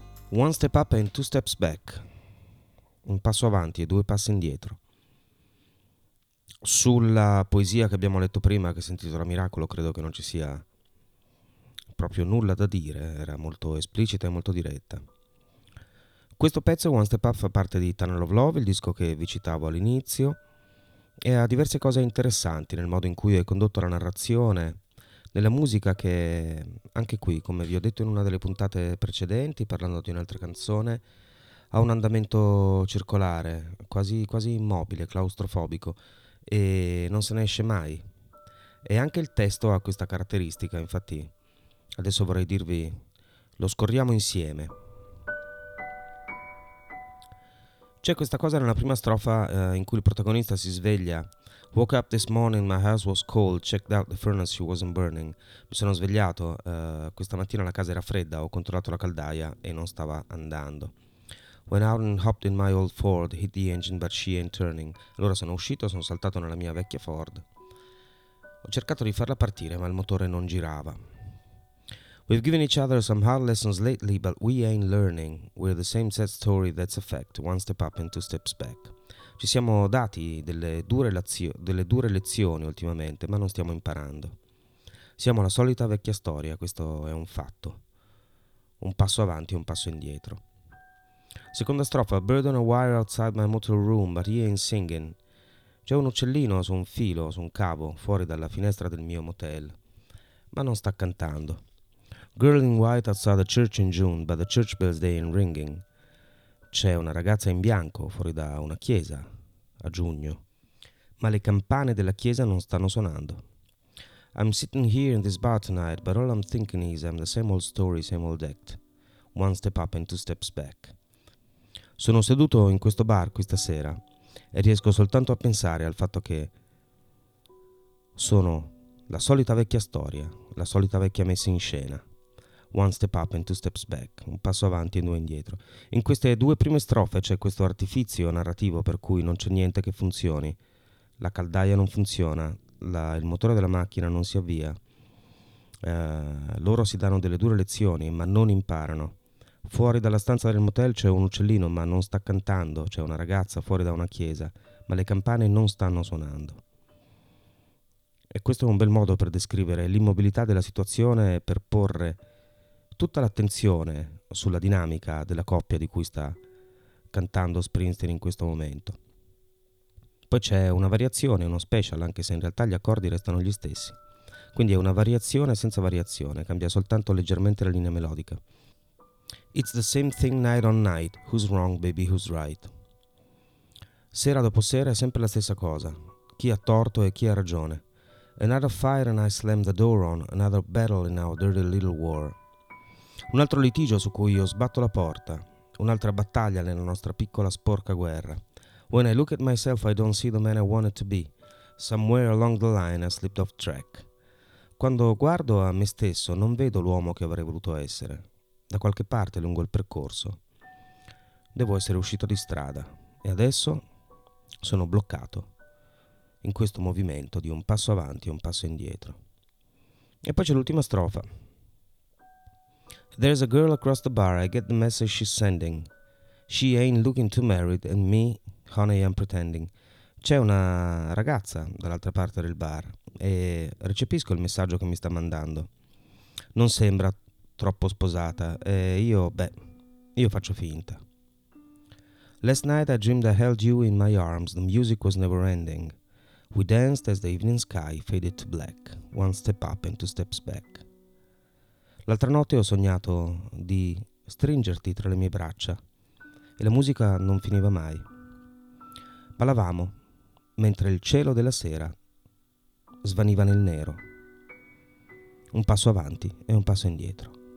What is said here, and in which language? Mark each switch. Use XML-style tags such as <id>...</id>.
<en>One step up and two steps back.</en> <it>Un passo avanti e due passi indietro. Sulla poesia che abbiamo letto prima, che si intitola Miracolo, credo che non ci sia proprio nulla da dire, era molto esplicita e molto diretta. Questo pezzo, One Step Up, fa parte di Tunnel of Love, il disco che vi citavo all'inizio, e ha diverse cose interessanti nel modo in cui è condotto la narrazione, nella musica che, anche qui, come vi ho detto in una delle puntate precedenti, parlando di un'altra canzone, ha un andamento circolare, quasi immobile, claustrofobico, e non se ne esce mai. E anche il testo ha questa caratteristica, infatti adesso vorrei dirvi, lo scorriamo insieme. C'è questa cosa nella prima strofa in cui il protagonista si sveglia.</it> <en>Woke up this morning, my house was cold, checked out the furnace, she wasn't burning.</en> <it>Mi sono svegliato, questa mattina la casa era fredda, ho controllato la caldaia e non stava andando.</it> <en>Went out and hopped in my old Ford, hit the engine, but she ain't turning.</en> <it>Allora sono uscito, sono saltato nella mia vecchia Ford. Ho cercato di farla partire, ma il motore non girava.</it> <en>We've given each other some hard lessons lately, but we ain't learning. We're the same sad story, that's a fact. One step up and two steps back.</en> <it>Ci siamo dati delle dure lezioni ultimamente, ma non stiamo imparando. Siamo la solita vecchia storia, questo è un fatto. Un passo avanti e un passo indietro. Seconda strofa,</it> <en>bird on a wire outside my motor room, but he ain't singing.</en> <it>C'è un uccellino su un filo, su un cavo, fuori dalla finestra del mio motel, ma non sta cantando.</it> <en>Girl in white outside the church in June, but the church bells they ain't ringing.</en> <it>C'è una ragazza in bianco fuori da una chiesa a giugno, ma le campane della chiesa non stanno suonando.</it> <en>I'm sitting here in this bar tonight, but all I'm thinking is I'm the same old story, same old act. One step up and two steps back.</en> <it>Sono seduto in questo bar questa sera e riesco soltanto a pensare al fatto che sono la solita vecchia storia, la solita vecchia messa in scena.</it> <en>One step up and two steps back,</en> <it>un passo avanti e due indietro. In queste due prime strofe c'è questo artificio narrativo per cui non c'è niente che funzioni. La caldaia non funziona, il motore della macchina non si avvia. Loro si danno delle dure lezioni, ma non imparano. Fuori dalla stanza del motel c'è un uccellino, ma non sta cantando. C'è una ragazza fuori da una chiesa, ma le campane non stanno suonando. E questo è un bel modo per descrivere l'immobilità della situazione e per porre tutta l'attenzione sulla dinamica della coppia di cui sta cantando Springsteen in questo momento. Poi c'è una variazione, uno special, anche se in realtà gli accordi restano gli stessi. Quindi è una variazione senza variazione, cambia soltanto leggermente la linea melodica.</it> <en>It's the same thing night on night, who's wrong baby, who's right?</en> <it>Sera dopo sera è sempre la stessa cosa, chi ha torto e chi ha ragione.</it> <en>Another fire and I slam the door on, another battle in our dirty little war.</en> <it>Un altro litigio su cui io sbatto la porta, un'altra battaglia nella nostra piccola sporca guerra.</it> <en>When I look at myself I don't see the man I wanted to be, somewhere along the line I slipped off track.</en> <it>Quando guardo a me stesso non vedo l'uomo che avrei voluto essere, da qualche parte lungo il percorso. Devo essere uscito di strada e adesso sono bloccato in questo movimento di un passo avanti e un passo indietro. E poi c'è l'ultima strofa.</it> <en>There's a girl across the bar, I get the message she's sending. She ain't looking too married, and me, honey, I'm pretending.</en> <it>C'è una ragazza dall'altra parte del bar e recepisco il messaggio che mi sta mandando. Non sembra troppo sposata e io faccio finta.</it> <en>Last night I dreamed I held you in my arms, the music was never ending. We danced as the evening sky faded to black, one step up and two steps back.</en> <it>L'altra notte ho sognato di stringerti tra le mie braccia e la musica non finiva mai. Ballavamo mentre il cielo della sera svaniva nel nero. Un passo avanti e un passo indietro.</it>